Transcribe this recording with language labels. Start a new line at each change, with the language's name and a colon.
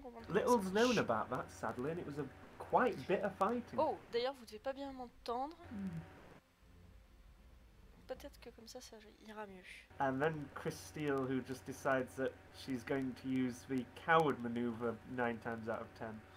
English: Little's known about that, sadly, and it was a quite bitter fighting.
French: Oh, d'ailleurs, vous devez pas bien m'entendre. Peut-être que comme ça, ça ira mieux.
English: And then Christine, who just decides that she's going to use the coward maneuver 9 times out of 10.